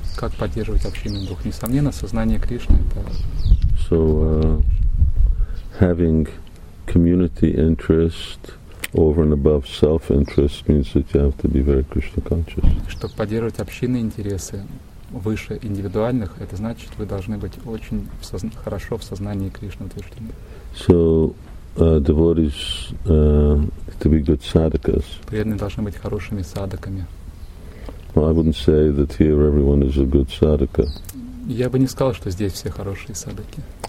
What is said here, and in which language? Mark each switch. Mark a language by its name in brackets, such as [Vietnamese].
[Russian] Как поддерживать общинный дух? Несомненно, сознание Кришны — это... [English] So, having community interest over and above self-interest means that you have to be very Krishna conscious. [Russian] Чтобы поддерживать общинные интересы выше индивидуальных, это значит, вы должны быть очень хорошо в сознании Кришны утверждены. [English] So, devotees to be good sadhakas. [Russian] Преданные должны быть хорошими садаками. [English] I wouldn't say that here everyone is a good sadhaka. [Russian] Я бы не сказал, что здесь все хорошие садхаки.